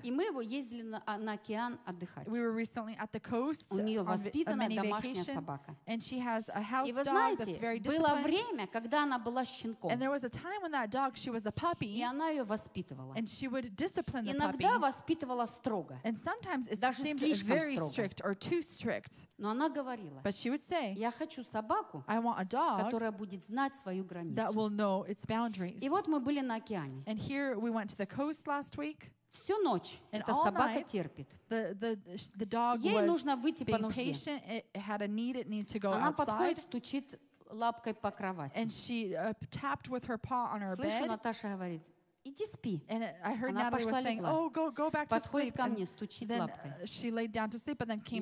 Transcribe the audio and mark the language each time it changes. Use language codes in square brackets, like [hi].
[ru] И мы его ездили на океан отдыхать. [en] We were recently at the coast. [ru] У нее воспитанная [en] on a [ru] домашняя собака. [en] And she has a house [ru] и вы [en] dog [ru] знаете, [en] that's very [ru] было время, когда она была щенком. [en] And there was a time when that dog, she was a puppy. [ru] И она ее воспитывала. [en] And she would discipline the [ru] иногда [en] puppy. [ru] Воспитывала строго. [en] And sometimes it [ru] даже [en] seemed [ru] слишком [en] very [ru] строго. [en] Strict or too strict. [ru] Но она говорит, [en] but she would say, [ru] я хочу собаку, [en] I want a dog [ru] которая будет знать свою границу. [en] That will know its boundaries. [ru] И вот мы были на океане. [en] And here we went to the coast last week. [ru] Всю ночь [en] and [ru] эта собака [en] night, [ru] терпит. [en] The dog [ru] ей [en] was [ru] нужно выйти [en] being [ru] по нужде. [en] Patient. It had a need, it needed to go [ru] она [en] outside. [ru] Подходит, стучит лапкой по кровати. [en] And she tapped with her paw on her [ru] слышу, [en] bed. [ru] Наташа говорит, иди спи. [en] And I heard [ru] она [en] Natalie was saying, [ru] легла. [en] Oh, go back [ru] подходит [en] to sleep. [ru] Ко мне, стучит [en] then [ru] лапкой. [en] She laid down to sleep and then came